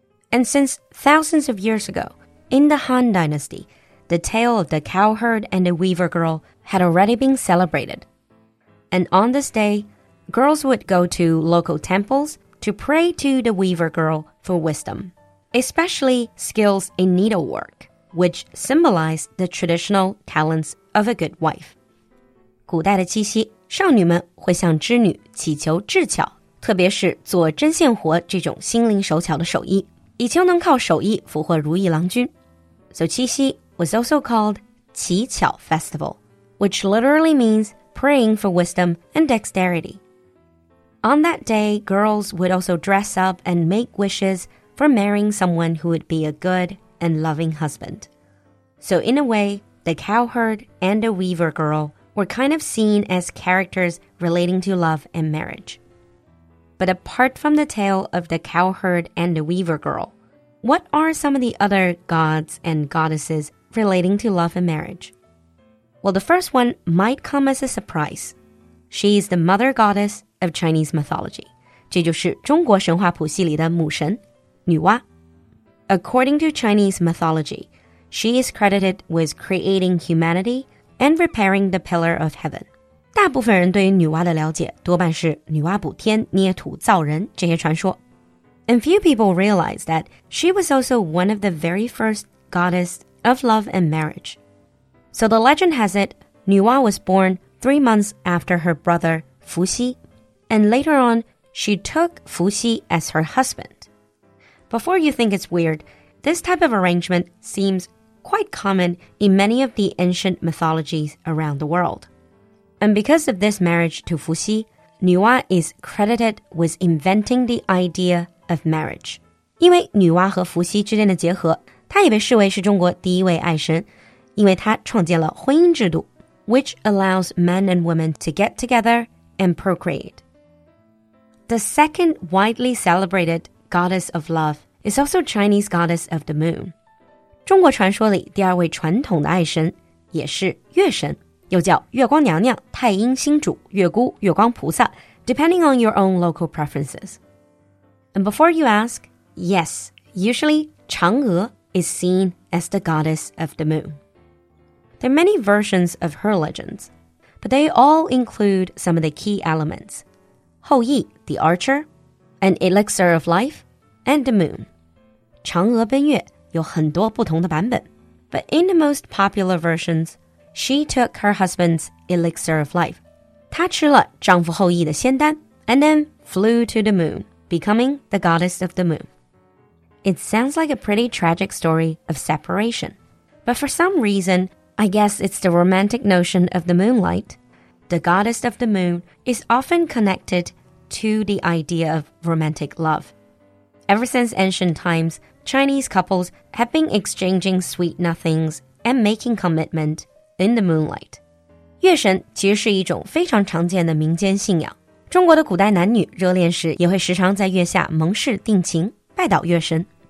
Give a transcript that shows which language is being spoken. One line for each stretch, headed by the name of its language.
English: And since thousands of years ago,In the Han Dynasty, the tale of the cowherd and the weaver girl had already been celebrated. And on this day, girls would go to local temples to pray to the weaver girl for wisdom, especially skills in needlework, which symbolized the traditional talents of a good wife.
Chinese: 古代的七夕，少女们会向织女祈求智巧，特别是做针线活这种心灵手巧的手艺，以求能靠手艺俘获如意郎君。
English: So Qi Xi was also called Qi Qiao Festival, which literally means praying for wisdom and dexterity. On that day, girls would also dress up and make wishes for marrying someone who would be a good and loving husband. So in a way, the cowherd and the weaver girl were kind of seen as characters relating to love and marriage. But apart from the tale of the cowherd and the weaver girl,What are some of the other gods and goddesses relating to love and marriage? Well, the first one might come as a surprise. She is the mother goddess of Chinese mythology.
Chinese: 这就是中国神话谱系里的母神，女娲。
English: According to Chinese mythology, she is credited with creating humanity and repairing the pillar of heaven.
Chinese: 大部分人对于女娲的了解多半是女娲补天、捏土造人这些传说。
English: And few people realize that she was also one of the very first goddesses of love and marriage. So the legend has it, Nüwa was born 3 months after her brother, Fuxi. And later on, She took Fuxi as her husband. Before you think it's weird, this type of arrangement seems quite common in many of the ancient mythologies around the world. And because of this marriage to Fuxi,女娲 is credited with inventing the idea of marriage.
Chinese: 因为女娲和伏羲之间的结合，她也被视为是中国第一位爱神，因为她创建了婚姻制度
English: ，which allows men and women to get together and procreate. The second widely celebrated goddess of love is also Chinese goddess of the moon.
Chinese: 中国传说里第二位传统的爱神也是月神。又叫月光娘娘、太阴星主、月姑、月光菩萨
English: depending on your own local preferences. And before you ask, yes, usually 嫦娥 is seen as the goddess of the moon. There are many versions of her legends, but they all include some of the key elements. 后羿 the archer, an elixir of life, and the moon.
Chinese: 嫦娥奔月有很多不同的版本
English: but in the most popular versions,She took her husband's elixir of life.
Chinese: 她吃了丈夫后羿的仙丹
English: and then flew to the moon, becoming the goddess of the moon. It sounds like a pretty tragic story of separation. But for some reason, I guess it's the romantic notion of the moonlight. The goddess of the moon is often connected to the idea of romantic love. Ever since ancient times, Chinese couples have been exchanging sweet nothings and making commitment. In the moonlight.
Chinese: 月神其实是一种非常常见的民间信仰。中国的古代男女热恋时也会时常在月下盟誓定情拜倒月神。